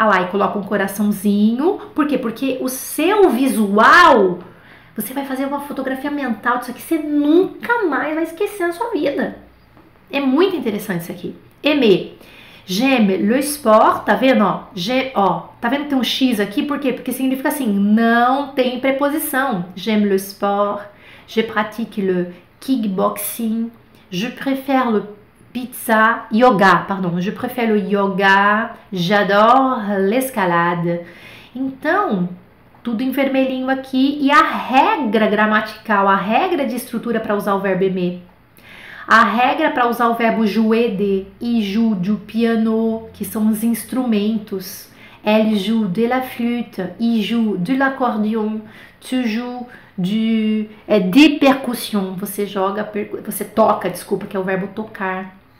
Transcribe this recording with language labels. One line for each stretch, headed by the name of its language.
Portuguese: Ah lá, e coloca um coraçãozinho. Por quê? Porque o seu visual, você vai fazer uma fotografia mental disso aqui, você nunca mais vai esquecer na sua vida. É muito interessante isso aqui. Aimer.
French: J'aime le sport,
Portuguese: tá vendo? Ó, tá vendo que tem um X aqui? Por quê? Porque significa assim, não tem preposição.
French: J'aime le sport, je pratique le kickboxing, je préfère le je préfère le yoga, j'adore l'escalade.
Portuguese: Então, tudo em vermelhinho aqui e a regra gramatical, a regra de estrutura para usar o verbo aimer. A regra para usar o verbo jouer de e
French: joue du piano,
Portuguese: que são os instrumentos.
French: Elle joue de la flûte, il joue de l'accordion, tu joues de percussion.
Portuguese: Você joga, você toca, desculpa, que é o verbo tocar.